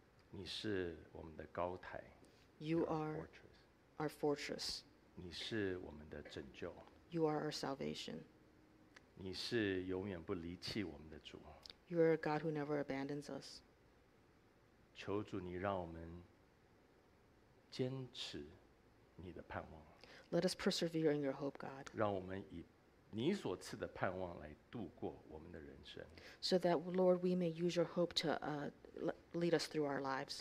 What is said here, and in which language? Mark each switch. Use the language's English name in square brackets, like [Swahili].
[Chinese] 你是我们的高台。 [English] You are our fortress. [Chinese] 你是我们的拯救。 [English] You are our salvation. [Chinese] 你是永远不离弃我们的主。 [English] You are a God who never abandons us. [Chinese] 求主你让我们坚持你的盼望。 [English] Let us persevere in your hope, God. [Chinese] 让我们以你所赐的盼望来度过我们的人生。 [English] So that, Lord, we may use your hope to lead us through our lives.